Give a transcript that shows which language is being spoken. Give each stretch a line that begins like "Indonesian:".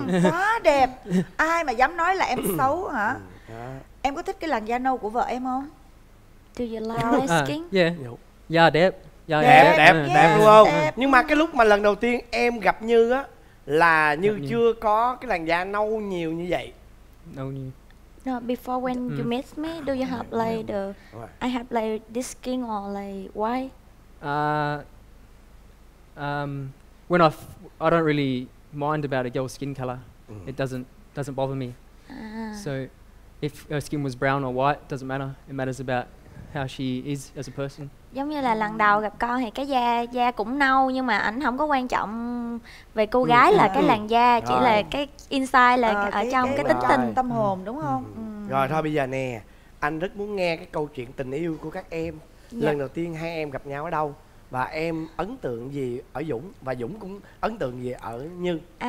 Vietnamese: Quá đẹp. Ai mà dám nói là em xấu hả? Em có thích cái làn da nâu của vợ em không?
English: Do you like skin?
Vietnamese: Da đẹp. Da đẹp. Yeah, đẹp đúng không? Đẹp. Nhưng mà cái lúc mà lần đầu tiên em gặp Như á, là Như gặp chưa nhiều. Có cái làn da nâu nhiều như vậy. Nâu nhiều.
English: No, before when you met me, do you have like the I have like this skin or like why? When I don't really mind about a girl's skin color. It doesn't bother me. So if her skin was brown or white, doesn't matter. It matters about how she is as a person.
Vietnamese: Giống như là lần đầu gặp con thì cái da cũng nâu nhưng mà ảnh không có quan trọng về cô gái là cái làn da, chỉ là cái inside là ở trong cái tính tình tâm hồn đúng không? Rồi thôi bây giờ nè, anh rất muốn nghe cái câu chuyện tình yêu của các em. Lần đầu tiên hai em gặp nhau ở đâu? Và em ấn tượng gì ở Dũng và Dũng cũng ấn tượng gì ở Như?